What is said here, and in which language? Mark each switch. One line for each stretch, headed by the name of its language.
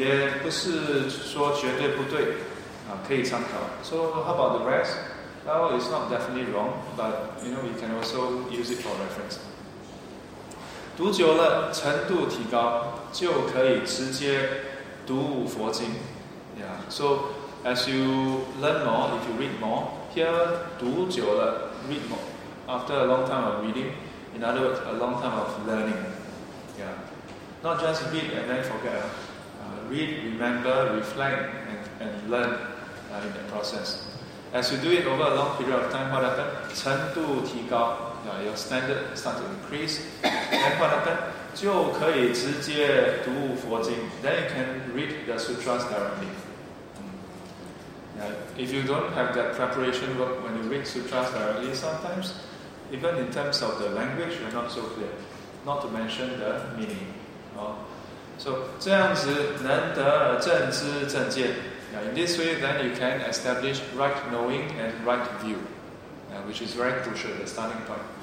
Chinese: 其他人的著作造作也不是说绝对不对, 可以参考.
English: So how about the rest? Well, it's not definitely wrong, but you know, we can also use it for reference.
Chinese: 读久了程度提高就可以直接读佛经.
English: Yeah. So as you learn more, if you read more, here
Chinese: 读久了,
English: read more. After a long time of reading, in other words, a long time of learning. Yeah. Not just read and then forget. Read, remember, reflect, and learn in the process. As you do it over a long period of time, what happens?
Chinese: 程度提高.
English: Your standard start to increase. Then what happened?
Chinese: 就可以直接读佛经.
English: Then you can read the sutras directly. If you don't have that preparation work when you read sutras directly, sometimes, even in terms of the language, you're not so clear. Not to mention the meaning.
Chinese: So, 这样子能得正知正见.
English: In this way, then you can establish right knowing and right view, which is very crucial, the starting point.